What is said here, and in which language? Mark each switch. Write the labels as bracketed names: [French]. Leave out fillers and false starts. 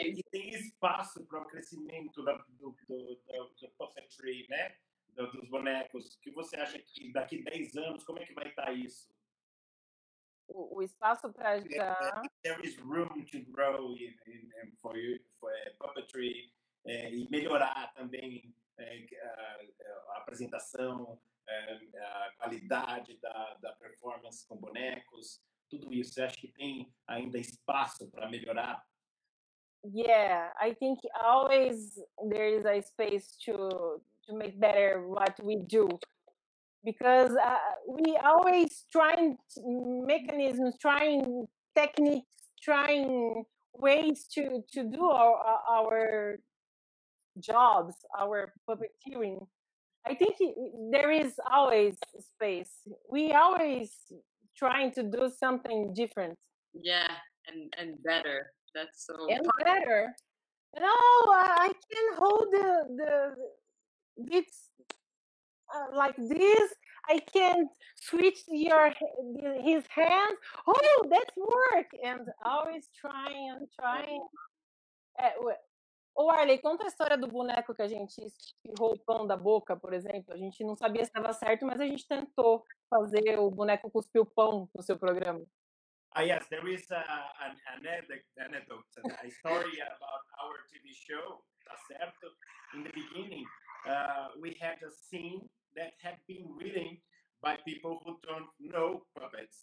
[Portuguese] Tem espaço para o crescimento do puppetry, né? Dos bonecos. O que você acha que daqui 10 anos, como é que vai estar isso? O espaço para já. [English] There is room to grow in for you for puppetry. [Portuguese] E melhorar também a apresentação, a qualidade da performance com bonecos, tudo isso. Eu acho que tem ainda espaço para melhorar. [English] Yeah, I think always there is a space to make better what we do, because we always trying mechanisms, trying techniques, trying ways to do our jobs, our puppeteering. I think there is always space. We always trying to do something different. Yeah, and better. That's so. And funny. Better. No, I can hold the bits like this. I can switch his hands. Oh, that's work. And always trying and trying. [Portuguese] Ô, Arley, conta a história do boneco que a gente espirrou o pão da boca, por exemplo. A gente não sabia se estava certo, mas a gente tentou fazer o boneco cuspir o pão no seu programa. [English] Yes, there is an anecdote, a story about our TV show, Tá Certo? In the beginning, we had a scene that had been written by people who don't know puppets.